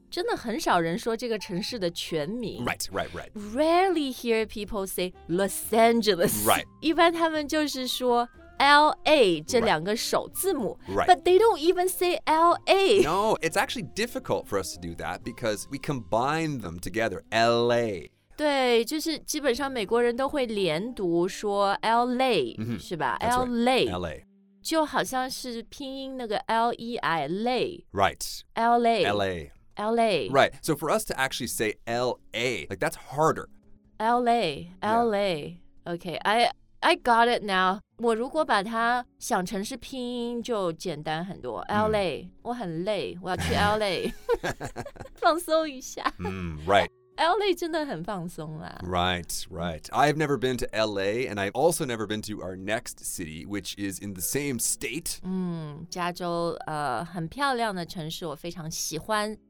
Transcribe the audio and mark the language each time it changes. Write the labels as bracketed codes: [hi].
[zh] 真的很少人说这个城市的全名 [en] Right, right, right Rarely hear people say Los Angeles Right [zh] 一般他们就是说 LA 这两个首字母 [en] Right But they don't even say LA No, it's actually difficult for us to do that Because we combine them together LA [zh] 对就是基本上美国人都会连读说 LA、 [en] mm-hmm. [zh] 是吧 [en] LA、right. LA [zh] 就好像是拼音那个 L-E-I LA [en] Right LA LA LA. Right. So for us to actually say LA, like that's harder. LA. LA.、Yeah. Okay. I got it now. [zh] 我如果把它想成是拼音就简单很多。 LA.、Mm. 我很累。我要去 LA. 放松一下。 [en] Right. [zh] LA 真的很放松啦。 [en] Right. Right. I've never been to LA and I've also never been to our next city, which is in the same state. [zh] 加州、很漂亮的城市我非常喜欢。